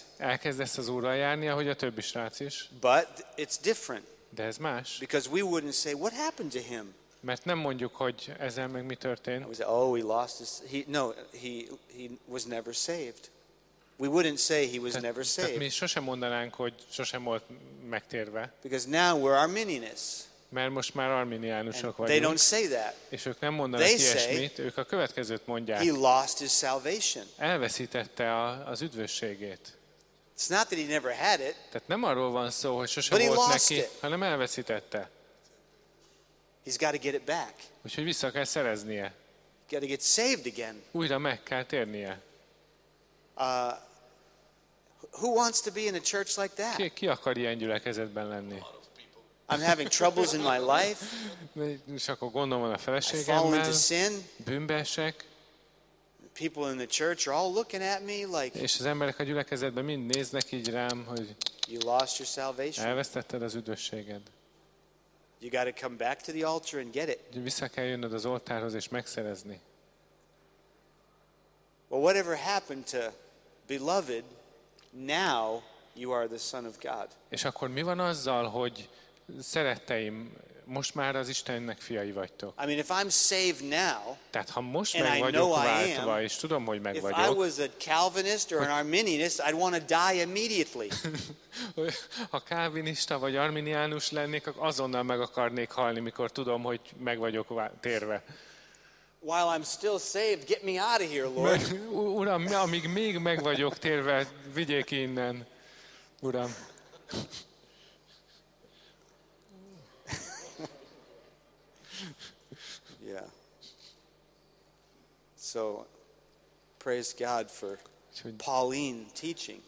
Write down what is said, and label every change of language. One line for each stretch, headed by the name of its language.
Hungarian: Elkezdesz az Úrral járni, ahogy a többi srác is.
English: But it's different.
Hungarian: De ez más.
English: Because we wouldn't say, what happened to him?
Hungarian: Mert nem mondjuk, hogy ezzel meg mi történt.
English: We say, oh, he lost his. He was never saved. We wouldn't say he was never saved.
Hungarian: Mi sosem mondanánk, hogy sosem volt megtérve.
English: Because now we're Arminianists.
Hungarian: Mert most már arminiánusok vagyunk.
English: They don't say that.
Hungarian: És ők nem mondanak ilyesmit, ők a következőt mondják.
English: He lost his salvation.
Hungarian: Elveszítette az üdvösségét.
English: It's not that he never had it.
Hungarian: Tehát nem arról van szó, hogy sosem volt neki, hanem elveszítette.
English: He's got to get it back.
Hungarian: Úgyhogy vissza kell szereznie.
English: He's got to get saved again.
Hungarian: Újra meg kell térnie.
English: Who wants to be in a church like that?
Hungarian: Ki akar ilyen gyülekezetben lenni?
English: I'm having troubles in my life. I fall into sin.
Hungarian: Bűnbeesek.
English: People in the church are all looking at me like.
Hungarian: És az emberek a gyülekezetben mind néznek így rám, hogy.
English: You lost your salvation.
Hungarian: Elvesztetted az üdvösséged.
English: You got to come back to the altar and get it.
Hungarian: Vissza kell jönnöd az oltárhoz és megszerezni.
English: Well, whatever happened to beloved? Now you are the son of God.
Hungarian: És akkor mi van azzal, hogy szeretteim, most már az Istennek fiai vagytok.
English: I mean, if I'm saved now,
Hungarian: tehát ha most meg vagyok váltva, és tudom, hogy meg vagyok.
English: If I was a Calvinist or an Arminianist, I'd want to die immediately.
Hungarian: Ha kálvinista vagy arminiánus lennék, akkor azonnal meg akarnék halni, mikor tudom, hogy meg vagyok térve.
English: While I'm still saved, get me out of here, Lord.
Hungarian: Uram, amíg még meg vagyok térve, vigyél ki innen, Uram.
English: Yeah. So praise God for Pauline teaching.